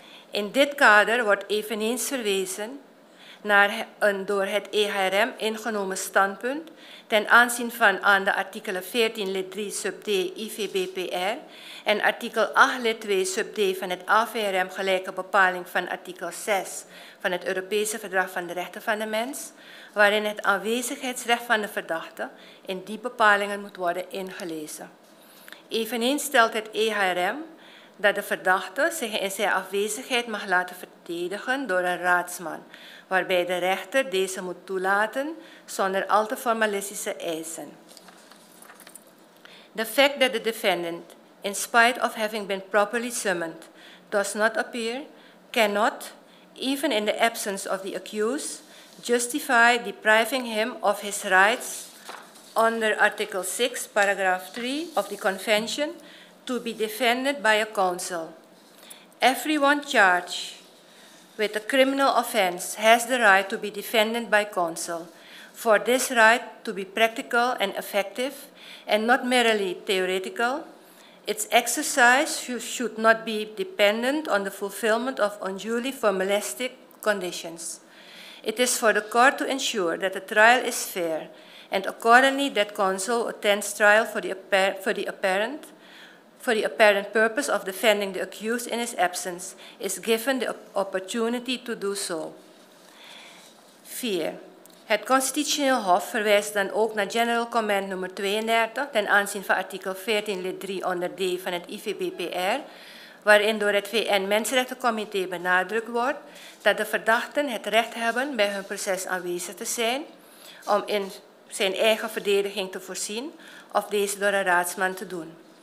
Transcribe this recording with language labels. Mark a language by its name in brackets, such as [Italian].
[Dutch] In dit kader wordt eveneens verwezen naar een door het EHRM ingenomen standpunt ten aanzien van aan de artikelen 14 lid 3 sub d IVBPR en artikel 8 lid 2 sub d van het AVRM gelijke bepaling van artikel 6 van het Europese Verdrag van de Rechten van de Mens, waarin het aanwezigheidsrecht van de verdachte in die bepalingen moet worden ingelezen. Eveneens stelt het EHRM dat de verdachte zich in zijn afwezigheid mag laten verdedigen door een raadsman, waarbij de rechter deze moet toelaten zonder al te formalistische eisen. [English] The fact that the defendant, in spite of having been properly summoned, does not appear, cannot, even in the absence of the accused, justify depriving him of his rights under Article 6, paragraph 3 of the Convention to be defended by a counsel. Everyone charged with a criminal offense has the right to be defended by counsel. For this right to be practical and effective and not merely theoretical, its exercise should not be dependent on the fulfillment of unduly formalistic conditions. It is for the court to ensure that the trial is fair and accordingly that counsel attends trial for the apparent purpose of defending the accused in his absence, is given the opportunity to do so. [Dutch] 4. Het Constitutioneel Hof verwijst dan ook naar General Comment nummer 32 ten aanzien van artikel 14 lid 3 onder D van het IVBPR, waarin door het VN-Mensenrechtencomité benadrukt wordt dat de verdachten het recht hebben bij hun proces aanwezig te zijn om in zijn eigen verdediging te voorzien of deze door een raadsman te doen.